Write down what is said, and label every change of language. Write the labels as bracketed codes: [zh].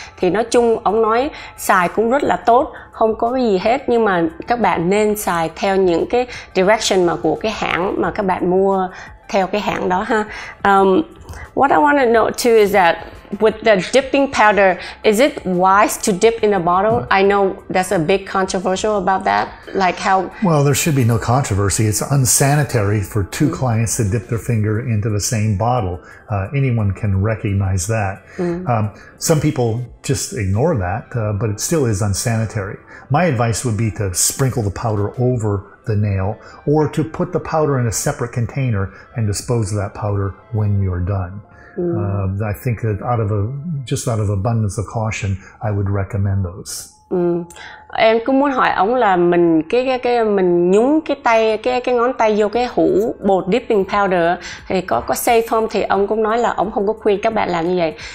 [vi] Thì nói chung ông nói xài cũng rất là tốt, không có cái gì hết, nhưng mà các bạn nên xài theo những cái direction mà của cái hãng mà các bạn mua theo cái hãng đó ha. [en] What I want to know too is that with the dipping powder, is it wise to dip in a bottle? I know that's a big controversial about that. Like how? Well, there should be no controversy. It's unsanitary for two clients to dip their finger into the same bottle. Anyone can recognize that. Some people just ignore that, but it still is unsanitary. My advice would be to sprinkle the powder over the nail, or to put the powder in a separate container and dispose of that powder when you're done. I think that out of abundance of caution, I would recommend those. [vi] Em cũng muốn hỏi ông là mình nhúng cái ngón tay vô cái hũ bột dipping powder thì có safe không? Thì ông cũng nói là ông không có khuyên các bạn làm như vậy.